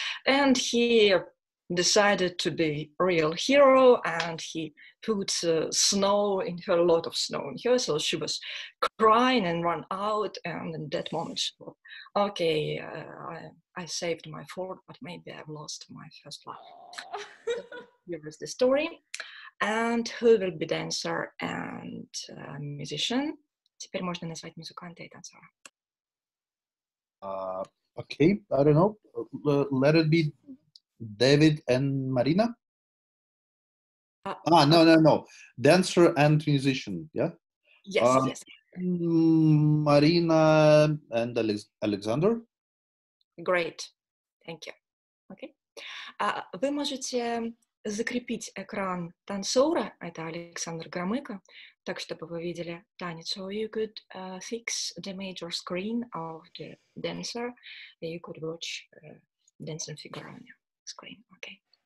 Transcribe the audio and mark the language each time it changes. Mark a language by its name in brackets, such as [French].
[English] And he decided to be a real hero, and he put snow in her, a lot of snow in her, so she was crying and run out, and in that moment she thought, okay, I saved my fort, but maybe I've lost my first love. So here is the story, and who will be dancer and musician? [Russian] Теперь можно назвать музыканта и танцора. [English] Okay, I don't know, let it be David and Marina? No. Dancer and musician, yeah? Yes. Marina and Alexander? Great. Thank you. Okay. [Russian] Вы можете закрепить экран танцора, это Александр Громыко, так, чтобы вы видели танец. [English] So you could fix the major screen of the dancer, and you could watch dancing figure on you. Screen, okay.